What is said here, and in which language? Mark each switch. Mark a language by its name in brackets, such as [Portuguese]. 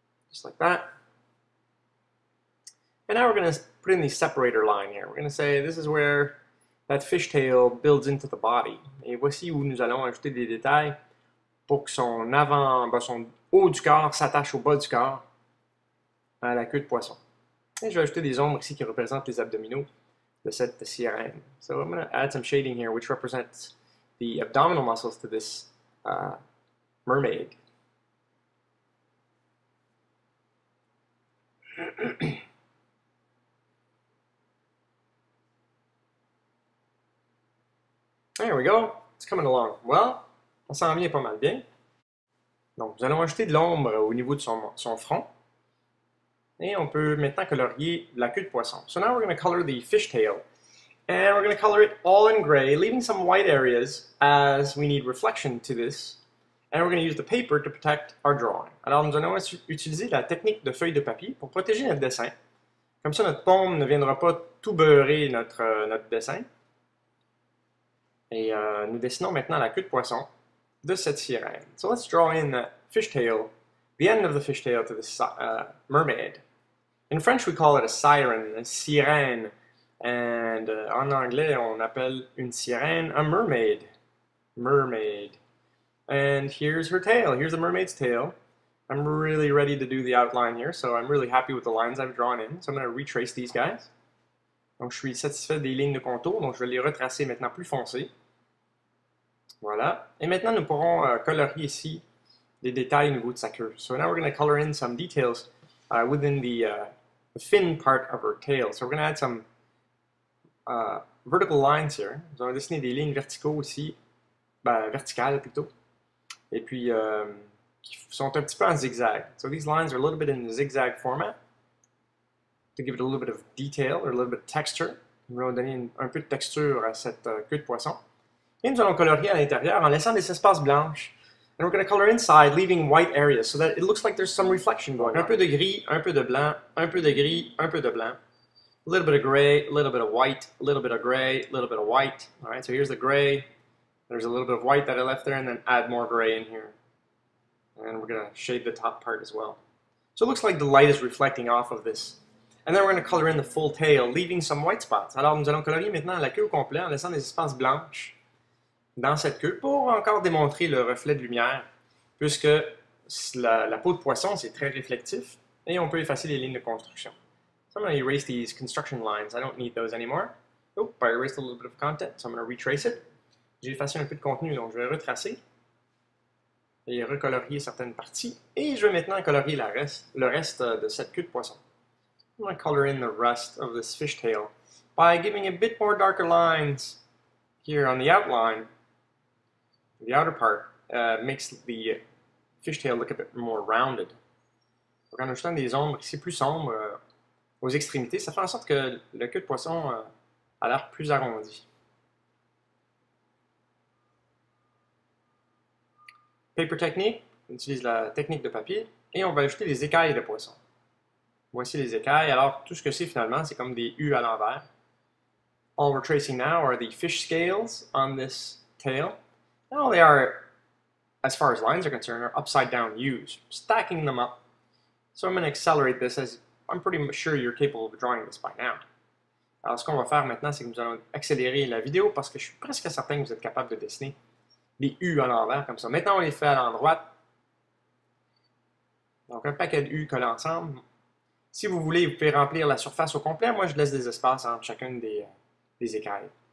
[English] Just like that. And now we're going to put in the separator line here. We're going to say this is where that fishtail builds into the body. [French] Et voici où nous allons ajouter des détails pour que son avant, ben son haut du corps s'attache au bas du corps à la queue de poisson. Et je vais ajouter des ombres ici qui représentent les abdominaux de cette sirène. [English] So I'm going to add some shading here which represents the abdominal muscles to this mermaid. There we go, it's coming along. Well, [French] ça s'en vient pas mal bien. Donc, nous allons ajouter de l'ombre au niveau de son front. Et on peut maintenant colorier la queue de poisson. [English] So now we're going to color the fishtail. And we're going to color it all in gray, leaving some white areas as we need reflection to this. And we're going to use the paper to protect our drawing. [French] Alors, nous allons utiliser la technique de feuille de papier pour protéger notre dessin. Comme ça, notre pomme ne viendra pas tout beurrer notre dessin. Et nous dessinons maintenant la queue de poisson de cette sirène. [English] So let's draw in the fishtail, the end of the fishtail to the mermaid. In French, we call it a siren, a sirène. And [French] en anglais, on appelle une sirène [English] a mermaid. Mermaid. And here's her tail. Here's the mermaid's tail. I'm really ready to do the outline here, so I'm really happy with the lines I've drawn in. So I'm going to retrace these guys. [French] Donc, je suis satisfait des lignes de contour, donc je vais les retracer maintenant plus foncées. Voilà. Et maintenant, nous pourrons colorier ici les détails au niveau de sa queue. [English] So now we're going to color in some details within the fin part of her tail. So we're going to add some vertical lines here. [French] Nous allons dessiner des lignes verticaux aussi, verticales plutôt. Et puis, qui sont un petit peu en zigzag. [English] So these lines are a little bit in the zigzag format. To give it a little bit of detail, or a little bit of texture. [French] Nous allons donner un peu de texture à cette queue de poisson. Et nous allons colorier à l'intérieur en laissant des espaces blanches. [English] And we're going to color inside, leaving white areas, so that it looks like there's some reflection going on. [French] Un peu de gris, un peu de blanc, un peu de gris, un peu de blanc. [English] A little bit of gray, a little bit of white, a little bit of gray, a little bit of white. All right, so here's the gray. There's a little bit of white that I left there, and then add more gray in here. And we're going to shade the top part as well. So it looks like the light is reflecting off of this. And then we're going to color in the full tail, leaving some white spots. [French] Alors, nous allons colorier maintenant la queue au complet en laissant des espaces blanches dans cette queue pour encore démontrer le reflet de lumière, puisque la peau de poisson, c'est très réflectif, et on peut effacer les lignes de construction. [English] So I'm going to erase these construction lines. I don't need those anymore. Oop, I erased a little bit of content, so I'm going to retrace it. [French] J'ai effacé un peu de contenu, donc je vais retracer et recolorier certaines parties. Et je vais maintenant colorier le reste de cette queue de poisson. [English] I'm going to color in the rest of this fishtail by giving a bit more darker lines here on the outline. The outer part makes the fishtail look a bit more rounded. [French] Donc en ajoutant des ombres ici plus sombres aux extrémités, ça fait en sorte que le queue de poisson a l'air plus arrondi. [English] Paper technique, [French] on utilise la technique de papier et on va ajouter des écailles de poisson. Voici les écailles. Alors, tout ce que c'est finalement, c'est comme des U à l'envers. [English] All we're tracing now are the fish scales on this tail. And all they are, as far as lines are concerned, are upside down U's. Stacking them up. So I'm going to accelerate this as I'm pretty sure you're capable of drawing this by now. [French] Alors, ce qu'on va faire maintenant, c'est que nous allons accélérer la vidéo parce que je suis presque certain que vous êtes capable de dessiner des U à l'envers comme ça. Maintenant, on les fait à l'endroit. Donc, un paquet de U collés ensemble. Si vous voulez, vous pouvez remplir la surface au complet. Moi, je laisse des espaces entre chacune des écailles.